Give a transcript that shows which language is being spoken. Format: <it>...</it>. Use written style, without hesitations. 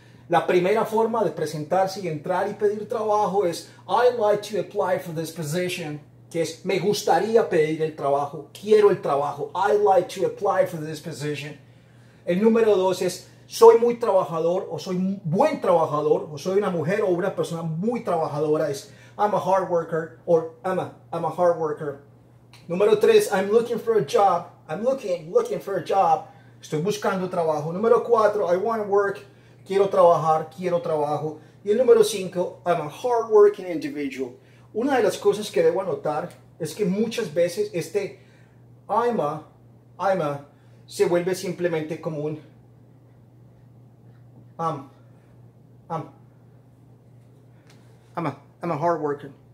<es>La primera forma de presentarse y entrar y pedir trabajo es,</es> <en>I'd like to apply for this position,</en> <es>que es, me gustaría pedir el trabajo, quiero el trabajo, I'd like to apply for this position. El número 2 es, soy muy trabajador o soy buen trabajador o soy una mujer o una persona muy trabajadora. Es</es> <en>I'm a hard worker or I'm a hard worker.</en> <es>Número 3,</es> <en>I'm looking for a job. I'm looking for a job.</en> <es>Estoy buscando trabajo. Número 4,</es> <en>I want to work.</en> <es>Quiero trabajo. Y el número 5,</es> <en>I'm a hard working individual.</en> <es>Una de las cosas que debo anotar es que muchas veces este I'm a se vuelve simplemente como un</es> <en>I'm a hard worker.</en>